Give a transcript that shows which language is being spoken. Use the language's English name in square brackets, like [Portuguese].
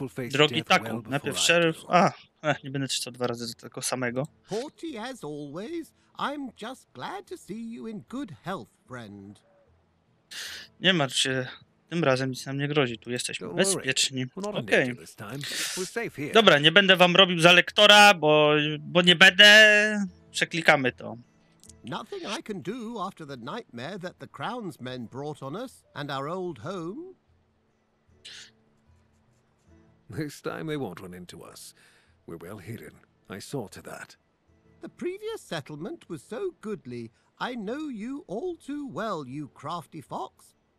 [Polish] Drogi taku, najpierw szeryf... A, nie będę czytał dwa razy do tego samego. [English] Horty, as always, I'm just glad to see you in good health, friend. [Polish] Nie martw się, tym razem nic nam nie grozi, tu jesteśmy bezpieczni. Okej. Okay. Dobra, nie będę wam robił za lektora, bo nie będę. Przeklikamy to. [English] Nothing I can do after the nightmare that the Crown's men brought on us and our old home. This time they won't run into us. We're well hidden. I saw to that. The previous settlement was so goodly. I know you all too well, you crafty fox.